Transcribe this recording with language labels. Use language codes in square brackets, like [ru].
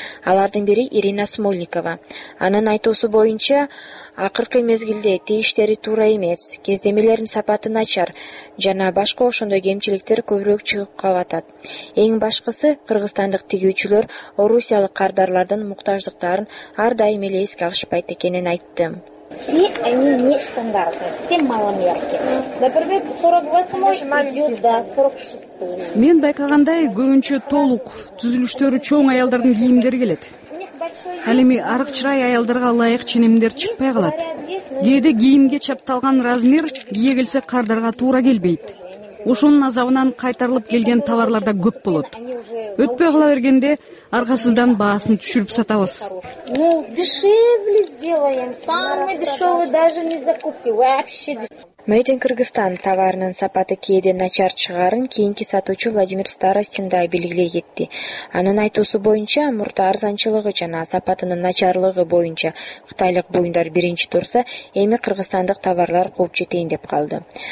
[ky] Алардын бири Ирина Смольникова. Анын айтуусу боюнча акыркы мезгилде тейиштери туура эмес, кездемелердин сапаты начар жана башка ошондой кемчиликтер көбүрөөк чыгып калатат. Эң башкысы кыргызстандык тигүүчүлөр орусиялык кардарлардын муктаждыктарын ар дайым эле эске алышпайт экенин айтты. [ru] Все они не стандартные, все маломерки. Например, 48-й идет до 46-й. [ky] Мен байкагандай көбүнчө толук түзүлүштөрү чоң аялдардын кийимдери келет. Ал эми арык чырай аялдарга ылайык ченемдер чыкпай калат. Кээде кийимге чапталган размер кие келсе кардарга туура келбейт. Ошонун азабынан кайтарылып келген товарлар да көп болот. Өтпөй кала бергенде аргасыздан баасын түшүрүп сатабыз. [ru] Ну, дешевле сделаем. Самый дешевый даже не закупки, вообще дешевле. [ky] Made in Кыргызстан товарынын сапаты кээде начар чыгарын кийинки сатуучу Владимир Старостин да белгилей кетти. Анын айтуусу боюнча мурда арзанчылыгы жана сапатынын начарлыгы боюнча кытайлык буюмдар биринчи турса, эми кыргызстандык товарлар кууп жетейин деп калды.